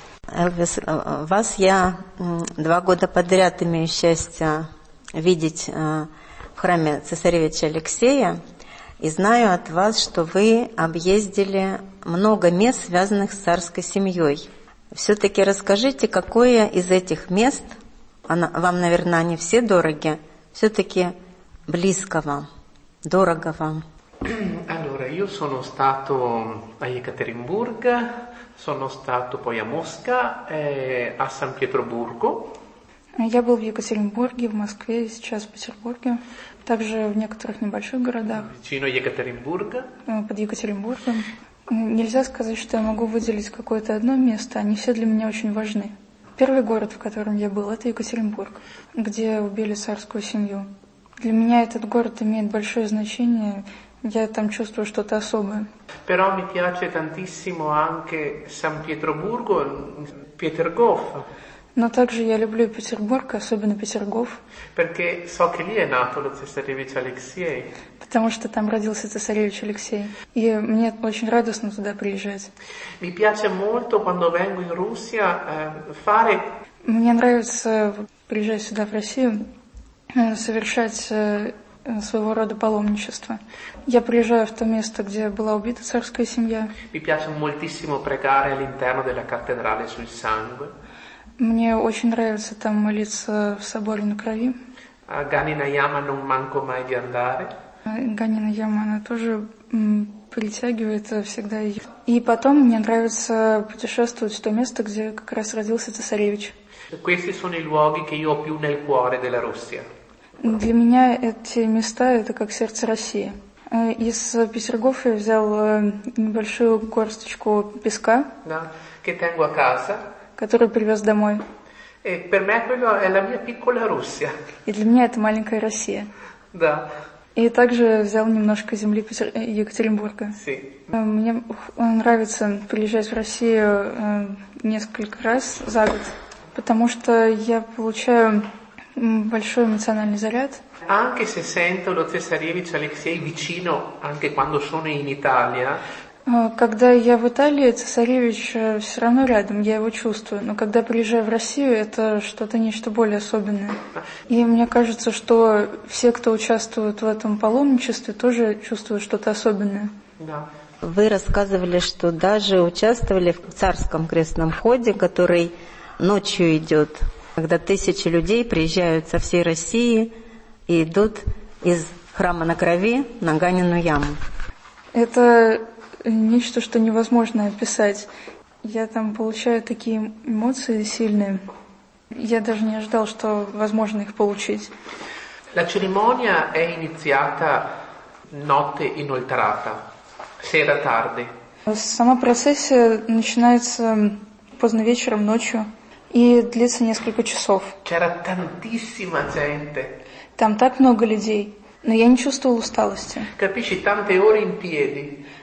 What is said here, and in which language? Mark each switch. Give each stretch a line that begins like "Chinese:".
Russian: Элвис, вас я 2 года подряд имею счастье видеть в храме цесаревича Алексея и знаю от вас, что вы объездили много мест, связанных с царской семьей. Все-таки расскажите, какое из этих мест, вам, наверное, они все дороги, все-таки близко вам, дорого вам?
Italian: Allora, io sono stato a Екатеринбург, sono stato poi a Mosca, a San Pietroburgo.
Russian: Я был в Екатеринбурге, в Москве, сейчас в Петербурге. Также в некоторых небольших городах.
Italian: Vicino Екатеринбурга.
Russian: Под Екатеринбургом. Нельзя сказать, что я могу выделить какое-то одно место. Они все для меня очень важны. Первый город, в котором я был, это Екатеринбург, где убили царскую семью. Для меня этот город имеет большое значение. Я там чувствую что-то особое.
Italian: Però mi piace tantissimo anche San Pietroburgo, Петергоф.
Russian: Но также я люблю Петербург, особенно Петергоф.
Italian: Perché so che lì è nato lo цесаревич Алексей.
Russian: Потому что там родился цесаревич Алексей. И мне очень радостно туда приезжать.
Italian: Mi piace molto quando vengo in Russia fare.
Russian: Мне нравится приезжать сюда в Россию, совершать своего рода паломничество. Я приезжаю в то место, где была убита царская семья.
Italian: Mi piace moltissimo pregare all'interno della cattedrale sul sangue.
Russian: Мне очень нравится там молиться в соборе на крови.
Italian: A Ganinayama non manco mai di andare.
Russian: Ганинаяма, она тоже притягивает всегда. И потом мне нравится путешествовать в то место, где как раз родился цесаревич.
Italian: Questi sono i luoghi che io ho più nel cuore della Russia.
Russian: Для меня эти места – это как сердце России. Из Петергофа я взял небольшую горсточку песка,
Italian: да, che tengo a casa,
Russian: которую привез домой.
Italian: E per me quello è la mia piccola Russia.
Russian: И для меня это маленькая Россия. Да. И также взял немножко земли Екатеринбурга.
Italian: Sí.
Russian: Мне нравится приезжать в Россию несколько раз за год, потому что я получаю большой эмоциональный заряд.
Italian: Anche se sento lo Cesarevich Alexei vicino, anche quando sono in Italia.
Russian: Когда я в Италии, цесаревич все равно рядом, я его чувствую. Но когда приезжаю в Россию, это что-то нечто более особенное. И мне кажется, что все, кто участвует в этом паломничестве, тоже чувствуют что-то особенное. Да. Вы рассказывали, что даже участвовали в царском крестном ходе, который ночью идет, когда тысячи людей приезжают со всей России и идут из храма на крови на Ганину яму. Это нечто, что невозможно описать. Я там получаю такие эмоции сильные. Я даже не ожидал, что возможно их получить.
Italian: La cerimonia è iniziata notte inoltrata, sera tardi.
Russian: Сама процессия начинается поздно вечером, ночью, и длится несколько часов.
Italian: C'era tantissima gente.
Russian: Там так много людей, но я не чувствовал усталости.
Italian: Capisci, tante ore in piedi.